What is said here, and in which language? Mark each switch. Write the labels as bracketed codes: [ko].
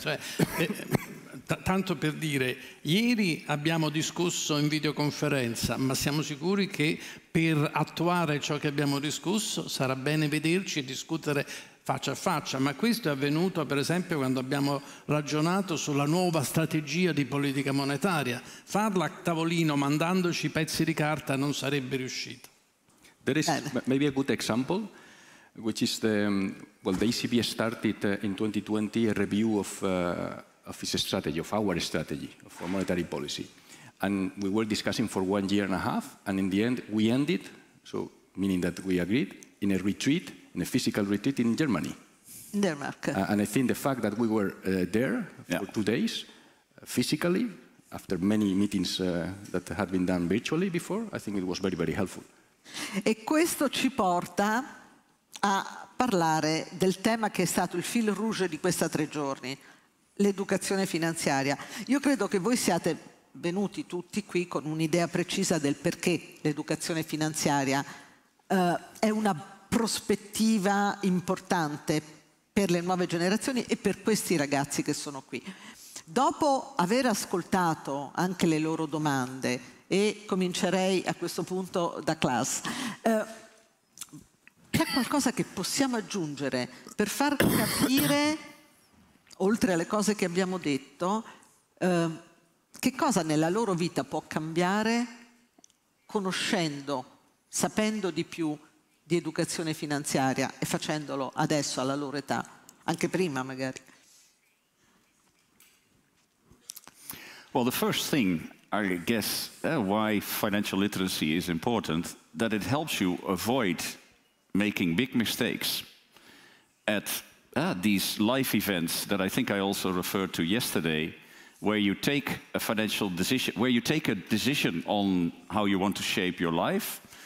[it] Cioè, tanto per dire, ieri abbiamo discusso in videoconferenza, ma siamo sicuri che per attuare ciò che abbiamo discusso sarà bene vederci e discutere faccia a faccia, ma questo è avvenuto per esempio quando abbiamo ragionato sulla nuova strategia di politica monetaria. Farla a tavolino mandandoci pezzi di carta non sarebbe riuscito. [en] There is maybe a good example, which is the well, the ECB started in 2020 a review of its strategy, of our strategy for monetary policy, and we were discussing for 1.5 years, and in the end we ended, so meaning that we agreed, in a retreat, in a physical retreat in Germany. Denmark. And I think the fact that we were there for 2 days, physically, after many meetings that had been done virtually before, I think it was very, very helpful. [it] E questo ci porta a parlare del tema che è stato il fil rouge di questi 3 giorni, l'educazione finanziaria. Io credo che voi siate venuti tutti qui con un'idea precisa del perché l'educazione finanziaria è una prospettiva importante per le nuove generazioni e per questi ragazzi che sono qui. Dopo aver ascoltato anche le loro domande, e comincerei a questo punto da Klaas, c'è qualcosa che possiamo aggiungere per far capire, oltre alle cose che abbiamo detto, che cosa nella loro vita può cambiare conoscendo, sapendo di più di educazione finanziaria e facendolo adesso alla loro età, anche prima magari? [en] Well, the first thing, I guess, why financial literacy is important, that it helps you avoid making big mistakes at these life events that I think I also referred to yesterday, where you take a financial decision, where you take a decision on how you want to shape your life,